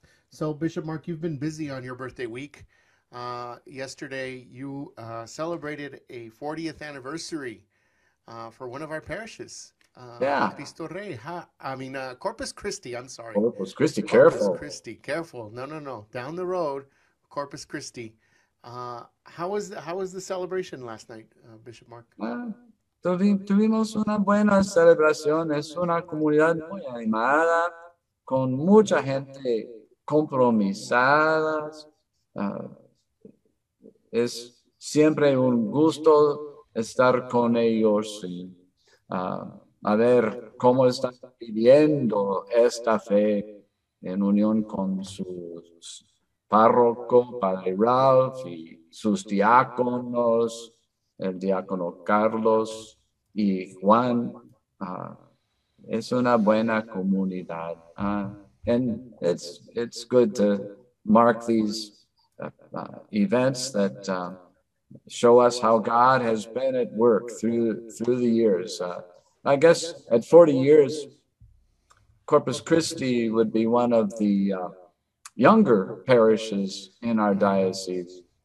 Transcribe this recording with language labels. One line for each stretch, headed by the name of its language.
English: So Bishop Mark, you've been busy on your birthday week. Yesterday you celebrated a 40th anniversary for one of our parishes, Cristo Rey, Corpus Christi, I'm sorry. Corpus Christi, careful. Corpus Christi, careful. No. Down the road, Corpus Christi. How was the celebration last night, Bishop Mark?
Spanish: Tuvimos una buena celebración. Es una comunidad muy animada, con mucha gente compromisada. Es siempre un gusto estar con ellos y a ver cómo están viviendo esta fe en unión con su párroco, Padre Ralph, y sus diáconos, el diácono Carlos y Juan. Es una buena comunidad.
English: And it's good to mark these events that show us how God has been at work through the years. I guess at 40 years, Corpus Christi would be one of the younger parishes in our diocese.